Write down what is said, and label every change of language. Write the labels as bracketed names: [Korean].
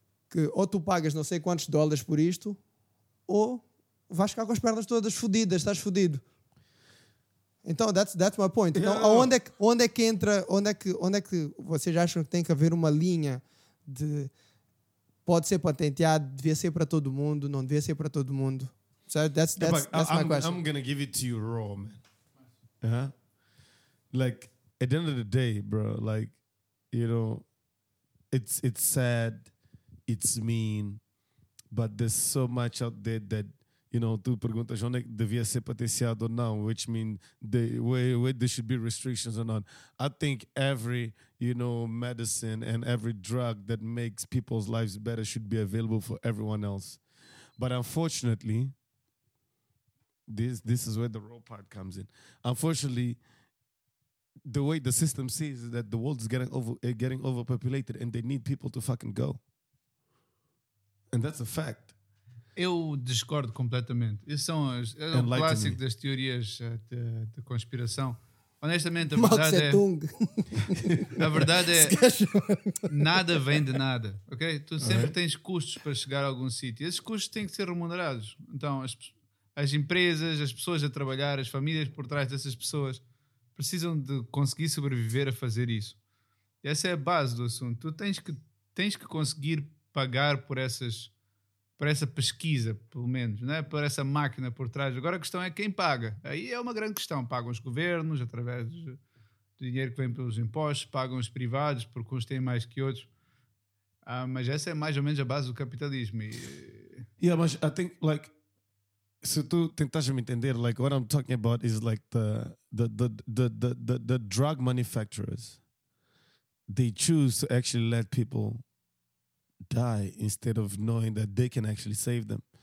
[Portuguese] Que ou tu pagas não sei quantos dólares por isto, ou vais ficar com as pernas todas fodidas, estás fodido. Então, [English] that's my point. [Portuguese] Então, onde é que vocês acham que tem que haver uma linha de... Pode ser patenteado, devia ser para todo mundo, não devia ser para todo mundo. [English] So that's my question. I'm going to give it to you raw, man. Uh-huh. Like, at the end of the day, bro, like, you know, it's sad, it's mean, but there's so much out there that, you know, [Portuguese] tu perguntas onde é que devia ser patenteado ou não, [English] which means where there should be restrictions or not. I think every, you know, medicine and every drug that makes people's lives better should be available for everyone else. But unfortunately, this is where the raw part comes in. Unfortunately, the way the system sees is that the world is getting overpopulated and they need people to fucking go. And that's a fact. [Portuguese] Eu discordo completamente. Isso são o clássico das teorias de conspiração. Honestamente, a verdade é... A verdade é... Nada vem de nada, ok? Tu sempre tens custos para chegar a algum sítio. Esses custos têm que ser remunerados. Então, as empresas, as pessoas a trabalhar, as famílias por trás dessas pessoas precisam de conseguir sobreviver a fazer isso. Essa é a base do assunto. Tu tens que conseguir pagar por essa pesquisa, pelo menos, né? Por essa máquina por trás. Agora a questão é quem paga. Aí é uma grande questão. Pagam os governos através do dinheiro que vem pelos impostos, pagam os privados porque uns têm mais que outros. Ah, mas essa é mais ou menos a base do capitalismo. [English] Yeah, mas I think, like, [Portuguese] se tu tentas me entender, [English] like, what I'm talking about is like the drug manufacturers, they choose to actually let people die instead of knowing that they can actually save them.